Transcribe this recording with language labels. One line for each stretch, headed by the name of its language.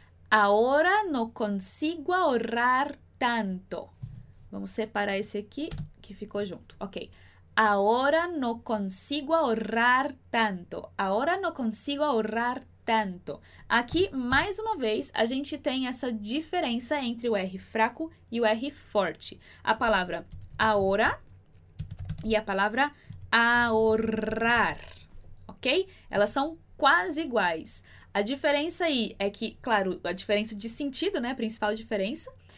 Spanish: Ahora no consigo ahorrar tanto.
Portuguese: Vamos separar esse aqui que ficou junto. Ok.
Spanish: Ahora no consigo ahorrar tanto. Ahora no consigo ahorrar tanto.
Portuguese: Aqui, mais uma vez, a gente tem essa diferença entre o R fraco e o R forte. A palavra ahora e a palavra ahorrar, ok? Elas são quase iguais. A diferença aí é que, claro, a diferença de sentido, né? A principal diferença.